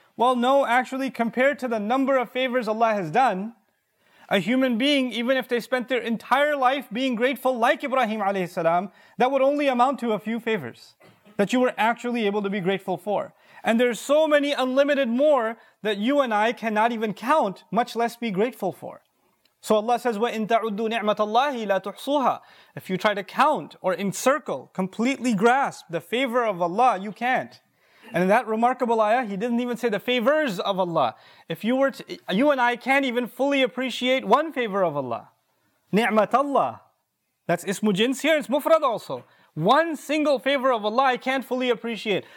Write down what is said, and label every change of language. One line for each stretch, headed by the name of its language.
English: Well, no, actually, compared to the number of favors Allah has done, a human being, even if they spent their entire life being grateful like Ibrahim alayhi salam, that would only amount to a few favors that you were actually able to be grateful for. And there's so many unlimited more that you and I cannot even count, much less be grateful for. So Allah says,
Arabic: وَإِن تَعُدُّوا نِعْمَةَ اللَّهِ لَا تُحْصُوهَا.
English: If you try to count or encircle, completely grasp the favor of Allah, you can't. And in that remarkable ayah, He didn't even say the favors of Allah. If you were to, you and I can't even fully appreciate one favor of Allah.
Arabic: نِعْمَةَ اللَّهِ.
English: That's ismu jins here, it's mufrad also. One single favor of Allah I can't fully appreciate.